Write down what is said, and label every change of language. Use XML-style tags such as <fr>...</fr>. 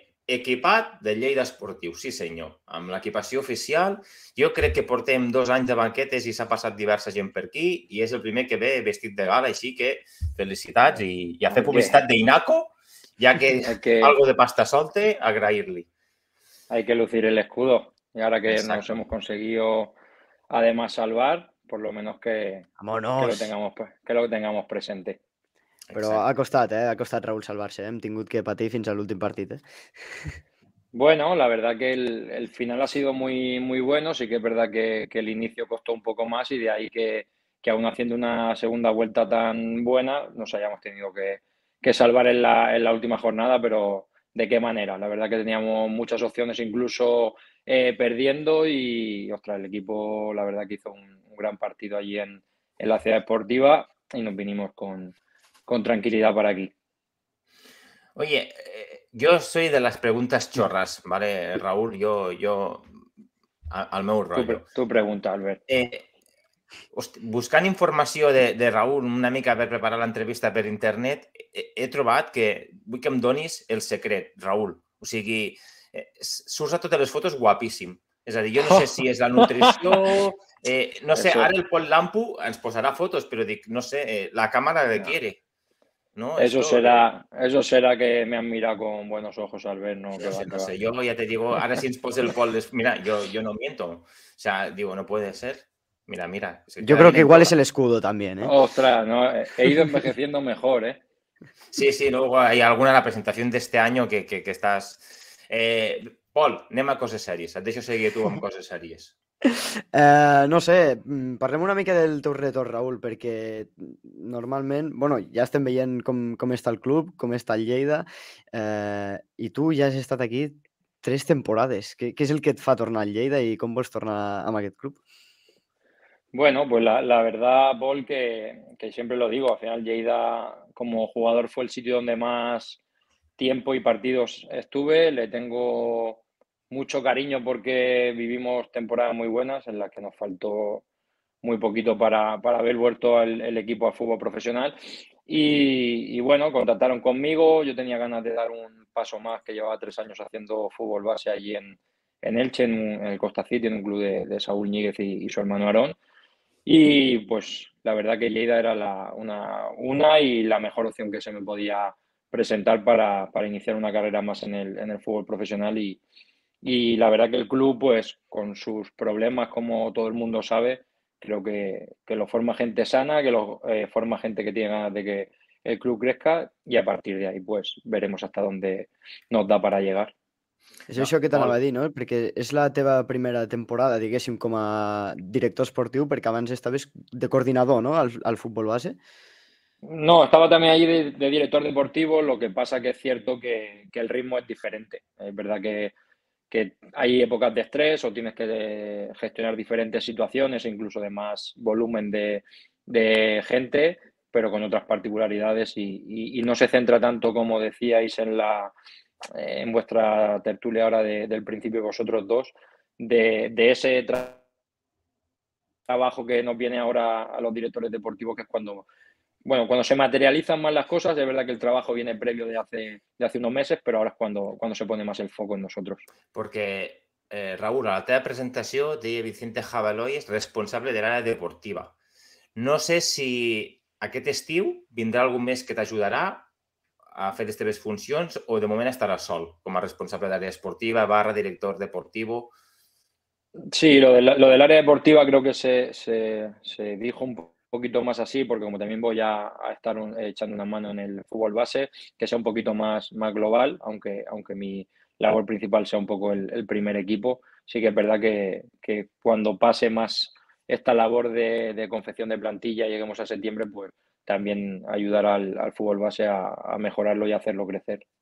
<ca>Equipat de Lleida Esportiu, sí senyor, amb l'equipació oficial. Jo crec que portem 2 anys de banquetes i s'ha passat diversa gent per aquí i és el primer que ve vestit de gala, així que felicitats i a fer publicitat d'Inaco, ja que algo de pasta solte, agrair-li.</ca> <es>Hay que lucir el escudo y ahora que nos hemos conseguido además salvar, por lo menos que lo tengamos presente.</es> <ca>Però ha costat, ha costat Raúl salvar-se, hem tingut que patir fins a l'últim partit.</ca> <es>Bueno, la verdad que el final ha sido muy, muy bueno, sí que es verdad que el inicio costó un poco más y de ahí que aún haciendo una segunda vuelta tan buena nos hayamos tenido que salvar en la última jornada, pero ¿de qué manera? La verdad que teníamos muchas opciones incluso perdiendo y, ostras, el equipo la verdad que hizo un gran partido allí en la ciudad deportiva y nos vinimos con tranquilidad para aquí. Oye, yo soy de las preguntas chorras, ¿vale, Raúl?</es> <ca>Yo al meu rollo. Tu pregunta, Albert. Buscant informació de Raúl, una mica per preparar l'entrevista per internet, he trobat que vull que em donis el secret, Raúl. O sigui, surts a totes les fotos guapíssim. És a dir, jo no sé si és la nutrició... no sé, ara el Pol Lampu ens posarà fotos, però dic, no sé, la càmera de qui era.</ca> <es>Eso será que me han mirado con buenos ojos al ver, ¿no? No sé, yo ya te digo, ahora si nos pose el Pol, mira, yo no miento. O sea, digo, no puede ser. Mira. Yo creo que igual es el escudo también, ¿eh? Ostras, no, he ido envejeciendo mejor, ¿eh? Sí, luego hay alguna en la presentación de este año que estás...</es> <ca>Pol, anem a coses sèries. Et deixo seguir tu amb coses sèries. No sé, parlem una mica del teu retorn, Raúl, perquè normalment, bueno, ja estem veient com està el club, com està el Lleida, i tu ja has estat aquí 3 temporades. Què és el que et fa tornar al Lleida i com vols tornar amb aquest club?</ca> <es>Bueno, pues la verdad, Pol, que siempre lo digo, al final Lleida como jugador fue el sitio donde más tiempo y partidos estuve, le tengo... mucho cariño porque vivimos temporadas muy buenas en las que nos faltó muy poquito para haber vuelto el equipo al fútbol profesional. Y bueno, contactaron conmigo, yo tenía ganas de dar un paso más, que llevaba 3 años haciendo fútbol base allí en Elche, en el Costa City, en un club de Saúl Ñíguez y su hermano Aarón. Y pues la verdad que Lleida era una y la mejor opción que se me podía presentar para iniciar una carrera más en el fútbol profesional. Y la verdad que el club, pues con sus problemas, como todo el mundo sabe, creo que lo forma gente sana, que lo forma gente que tiene ganas de que el club crezca, y a partir de ahí pues veremos hasta dónde nos da para llegar.</es> <ca>Es això que t'anava a dir, no? Perquè és la teva primera temporada, diguéssim, com a director esportiu, perquè abans estaves de coordinador, no?, al futbol base.</ca> <es>No, estaba también allí de director deportivo, lo que pasa que es cierto que el ritmo es diferente. Es verdad que hay épocas de estrés o tienes que gestionar diferentes situaciones, incluso de más volumen de gente, pero con otras particularidades y no se centra tanto, como decíais en vuestra tertulia ahora del principio, vosotros dos, de ese trabajo que nos viene ahora a los directores deportivos, que es cuando, bueno, cuando se materializan más las cosas. Es verdad que el trabajo viene previo de hace unos meses, pero ahora es cuando se pone más el foco en nosotros.</es> <ca>Porque, Raúl, a la teva presentació deia Vicente Javaloy és responsable de l'àrea deportiva. No sé si aquest estiu vindrà algú més que t'ajudarà a fer les teves funcions o de moment estarà sol com a responsable d'àrea esportiva /</ca> <es>director deportivo. Sí, lo del área deportiva creo que se dijo un poquito más así, porque como también voy a estar echando una mano en el fútbol base, que sea un poquito más global, aunque mi labor principal sea un poco el primer equipo. Sí que es verdad que cuando pase más esta labor de confección de plantilla, lleguemos a septiembre, pues también ayudar al fútbol base a mejorarlo y hacerlo crecer.</es>